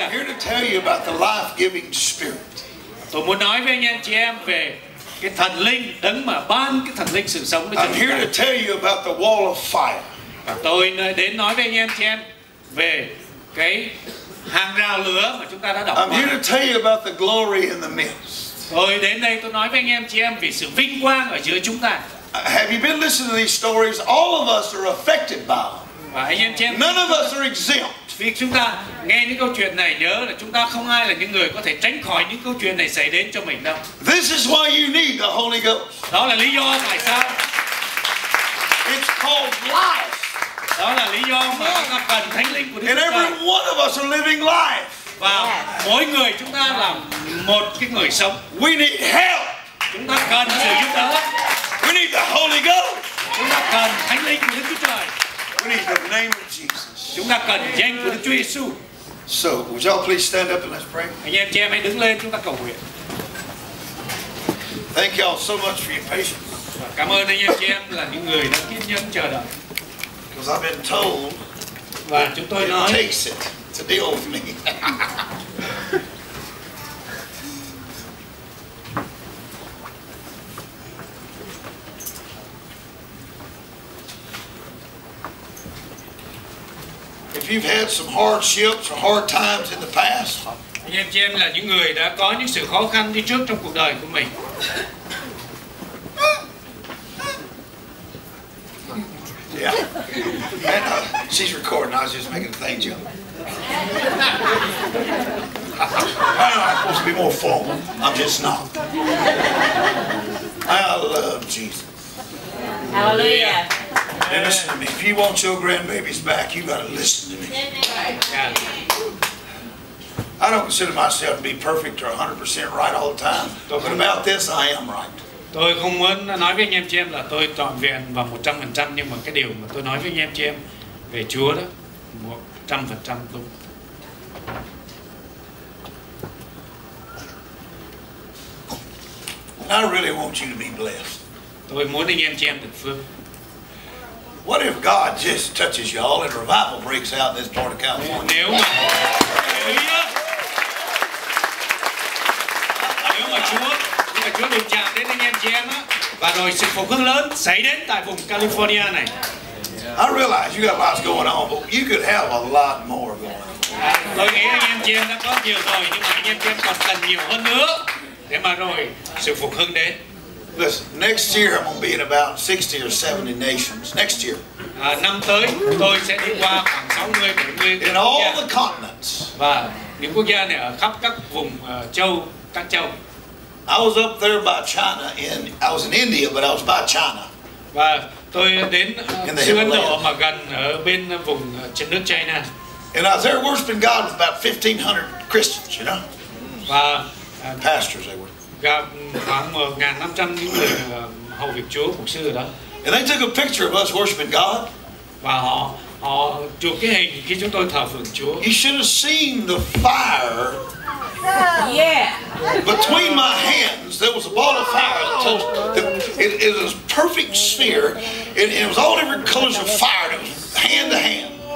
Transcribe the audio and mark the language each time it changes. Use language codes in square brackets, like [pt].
[en] I'm here to tell you about the life-giving spirit. [vi] Tôi muốn nói với anh em chị em về cái thần linh đấng mà ban cái thần linh sự sống. [en] I'm here to tell you about the wall of fire. [vi] Và tôi đến nói với anh em chị em về cái hàng rào lửa mà chúng ta đã đọc. [en] I'm here to tell you about the glory in the midst. [vi] Tôi đến đây tôi nói với anh em chị em về sự vinh quang ở giữa chúng ta. [en] Have you been listening to these stories? All of us are affected by them. None of us are exempt. [vi] Vì chúng ta nghe những câu chuyện này nhớ là chúng ta không ai là những người có thể tránh khỏi những câu chuyện này xảy đến cho mình đâu. [en] This is why you need the Holy Ghost. [vi] Đó là lý do tại sao. [en] It's called life. [vi] Đó là lý do mà chúng ta cần thánh linh của Đức Chúa Trời. [en] And every one of us are living life. [vi] Và mỗi người chúng ta là một cái người sống. [en] We need help. [vi] Chúng ta cần sự giúp đỡ. [en] We need the Holy Ghost. [vi] Chúng ta cần thánh linh của Đức Chúa Trời. [en] We need the name of Jesus. [vi] Chúng ta cần danh của Đức Chúa Giêsu. [en] So, would y'all please stand up and let's pray? [vi] Anh em chị em hãy đứng lên, chúng ta cầu nguyện. [en] Thank y'all so much for your patience. [vi] Cảm ơn anh em chị em là những người đã kiên nhẫn chờ đợi. [en] Because I've been told. [vi] Và chúng tôi nói. [en] It takes it to deal with me. If you've had some hardships or hard times in the past, [vi] anh em chị em là những người đã có những sự khó khăn đi trước trong cuộc đời của mình. [en] Yeah, and, she's recording. I was just making a thing joke. I'm supposed to be more formal. I'm just not. I love Jesus. Hallelujah. And listen to me, if you want your grandbabies back, you got to listen to me. I don't consider myself to be perfect or 100% right all the time, but about this, I am right. [vi] Tôi không muốn nói với anh em chị em là tôi trọn vẹn và 100%, nhưng mà cái điều mà tôi nói với anh em chị em về Chúa đó, 100% đúng. [en] I really want you to be blessed. [vi] Tôi muốn anh em chị em được phước. [en] What if God just touches y'all and revival breaks out in this part of California? [vi] Nếu mà, nếu mà Chúa được chạm đến anh em chị em á, và rồi sự phục hưng lớn xảy đến tại vùng California này. [en] I realize you got lots going on, but you could have a lot more going on. [vi] Tôi nghĩ anh em chị em đã có nhiều rồi, nhưng mà anh em chị em còn cần nhiều hơn nữa để mà rồi sự phục hưng đến. [en] Listen, next year I'm going to be in about 60 or 70 nations. Next year. [vi] Năm tới tôi sẽ đi qua khoảng 60, 70 [en] in all the continents. [vi] Và những quốc gia này ở khắp các vùng châu, các châu. [en] I was up there by China. I was in India, but I was by China. [vi] Và tôi đến xứ Ấn Độ mà gần ở bên vùng trên nước China. [en] And I was there worshiping God with about 1,500 Christians, you know. [vi] Và [en] pastors they were. [vi] Khoảng 1,500 những người hầu việc Chúa, mục sư đó. [en] And they took a picture of us worshiping God. [vi] Và họ chụp cái hình khi chúng tôi thờ phượng Chúa. [en] You should have seen the fire. Yeah. Between my hands, there was a ball of fire. It was a perfect sphere. It was all different colors of fire. It was hand to hand.